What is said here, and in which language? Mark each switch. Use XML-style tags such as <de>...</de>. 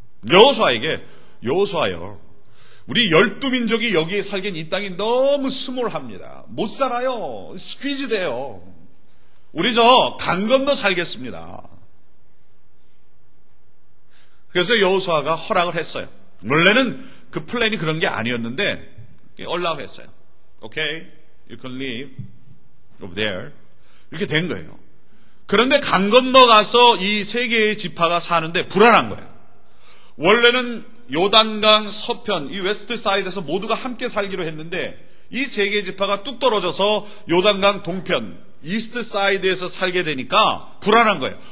<ko>여호수아에게, 여호수아요, 우리 열두 민족이 여기에 살기엔 이 땅이 너무 스몰합니다. 못 살아요. 스퀴즈 돼요. 우리 저 강 건너 살겠습니다. 그래서 여호수아가 허락을 했어요. 원래는 그 플랜이 그런 게 아니었는데 허락을 했어요.</ko> <en>오케이, you can live over there.</en> <ko>이렇게 된 거예요. 그런데 강 건너 가서 이 세 개의 지파가 사는데 불안한 거예요. 원래는 요단강 서편, 이 웨스트 사이드에서 모두가 함께 살기로 했는데 이 세 개의 지파가 뚝 떨어져서 요단강 동편, 이스트 사이드에서 살게 되니까 불안한 거예요.</ko>